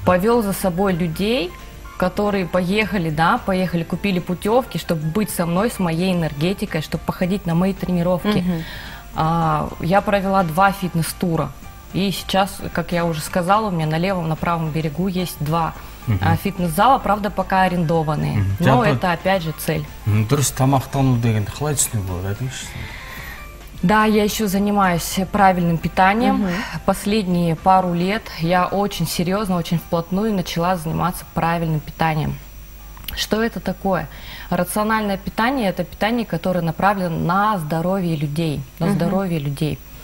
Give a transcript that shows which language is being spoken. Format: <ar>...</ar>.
<ru>повел за собой людей, которые поехали, да, поехали, купили путевки, чтобы быть со мной, с моей энергетикой, чтобы походить на мои тренировки. Угу. Я провела два фитнес-тура. И сейчас, как я уже сказала, у меня на левом, на правом берегу есть два фитнес-зала, правда, пока арендованные. Но это, опять же, цель.</ru> <kk>Дұрыс тамақтану деген қалай түсінуге болады?</kk> <ru>Да, я еще занимаюсь правильным питанием. Последние пару лет я очень серьезно, очень вплотную начала заниматься правильным питанием. Что это такое? Рациональное питание – это питание, которое направлено на здоровье людей. На здоровье людей.</ru>